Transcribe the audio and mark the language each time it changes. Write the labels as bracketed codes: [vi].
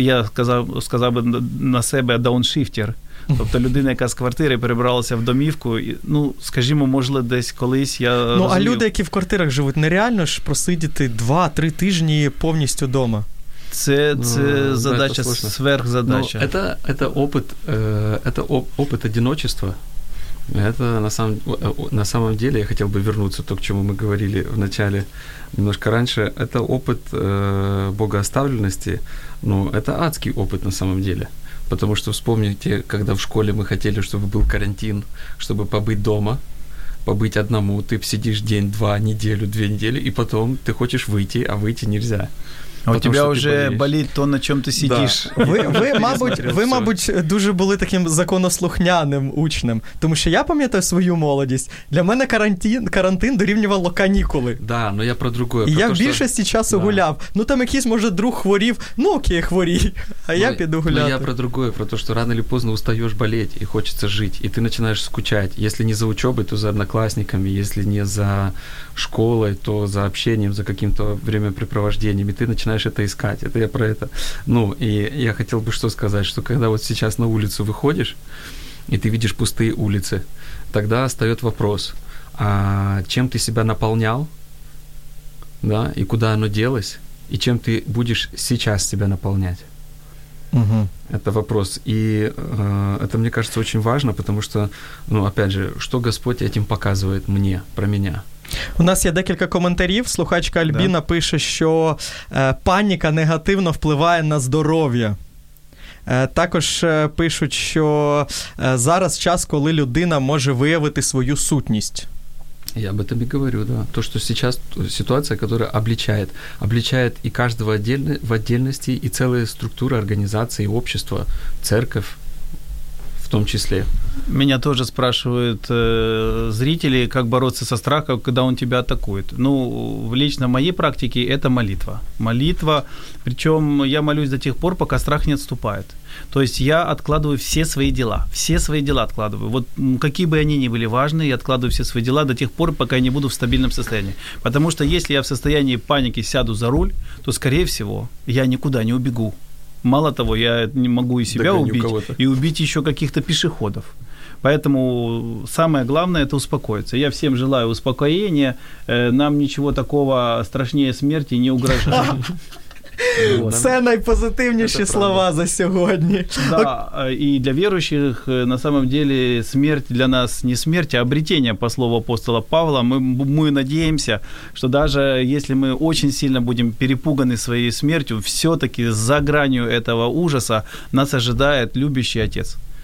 [uk] Я сказав би на себе дауншифтер. Тобто людина, яка з квартири перебралася в домівку, і, ну, скажімо, може, десь колись я... Ну, розумів. А люди, які в квартирах живуть, нереально ж просидіти 2-3 тижні повністю вдома? Це ну, задача, сверхзадача. Це опит, опит одиночества. [ru] Это на самом деле, я хотел бы вернуться то, к чему мы говорили в начале, немножко раньше. Это опыт богооставленности, но это адский опыт на самом деле. Потому что вспомните, когда в школе мы хотели, чтобы был карантин, чтобы побыть дома, побыть одному. Ты сидишь день, два, неделю, две недели, и потом ты хочешь выйти, а выйти нельзя. А у тебя уже болит то, на чем ты сидишь. Да. [uk] Ви, мабуть, дуже були таким законослухняним учнем. Тому що я пам'ятаю свою молодість. Для мене карантин дорівнювало канікули. [ru] Да, но я про другое. [uk] І про я в більшості що... часу гуляв. Ну, там якийсь, може, друг хворів. Ну, окей, хворій. Я піду гуляти. [ru] Ну, я про другое. [uk] Про те, що [ru] рано или поздно [uk] устаєш болеть і хочеться жити. І ти починаєш скучати. Якщо не за учебою, то за однокласниками. Якщо не за школою, то за [ru] общением, за каким-то времяпрепровождением. [uk] І ти [ru] начинаешь это искать. Это я про это. Ну, и я хотел бы что сказать, что когда вот сейчас на улицу выходишь, и ты видишь пустые улицы, тогда встает вопрос, а чем ты себя наполнял, да, и куда оно делось, и чем ты будешь сейчас себя наполнять? Угу. Это вопрос. И это, мне кажется, очень важно, потому что, ну, опять же, что Господь этим показывает мне, про меня? [uk] У нас є декілька коментарів. Слухачка Альбіна пише, що паніка негативно впливає на здоров'я. Також пишуть, що зараз час, коли людина може виявити свою сутність. [ru] Я об этом и говорю, да. То, что сейчас ситуация, которая обличает. Обличает и каждого в отдельности, и целые структуры, организации, общества, церковь в том числе. Меня тоже спрашивают зрители, как бороться со страхом, когда он тебя атакует. Ну, лично в моей практике это молитва. Молитва, причем я молюсь до тех пор, пока страх не отступает. То есть я откладываю все свои дела откладываю. Вот какие бы они ни были важны, я откладываю все свои дела до тех пор, пока я не буду в стабильном состоянии. Потому что если я в состоянии паники сяду за руль, то, скорее всего, я никуда не убегу. Мало того, я не могу и себя убить, кого-то. И убить еще каких-то пешеходов. Поэтому самое главное – это успокоиться. Я всем желаю успокоения. Нам ничего такого страшнее смерти не угрожает. [uk] Це найпозитивніші слова за сьогодні. [ru] Да, и для верующих на самом деле смерть для нас не смерть, а обретение, по слову апостола Павла. Мы надеемся, что даже если мы очень сильно будем перепуганы своей смертью, все-таки за гранью этого ужаса нас ожидает любящий отец.